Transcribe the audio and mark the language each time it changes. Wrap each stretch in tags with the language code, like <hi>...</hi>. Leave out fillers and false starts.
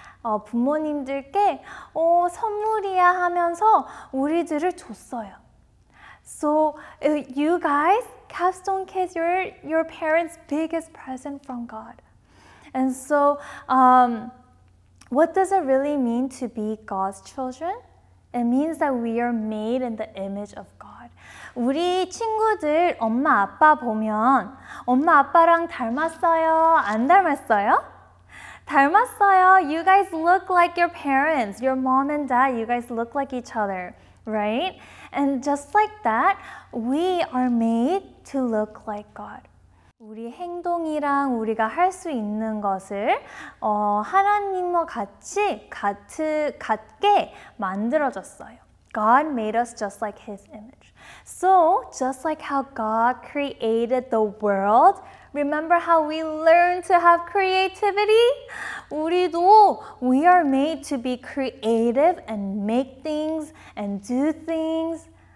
<ko>부모님들께 선물이야 하면서 우리들을 줬어요.</ko> <en>So you guys, Capstone Kids, you're your parents' biggest present from God. And so, what does it really mean to be God's children? It means that we are made in the image of God.</en> <ko>우리 친구들 엄마 아빠 보면 엄마 아빠랑 닮았어요? 안 닮았어요? 닮았어요.</ko> <en>You guys look like your parents, your mom and dad. You guys look like each other, right? And just like that, we are made to look like God.</en> <ko>우리 행동이랑 우리가 할 수 있는 것을 하나님과 같이 같게 만들어졌어요.</ko> <en>God made us just like His image. So, just like how God created the world, remember how we learned to have creativity?</en> <ko>우리도</ko> <en>we are made to be creative and make things and do things.</en>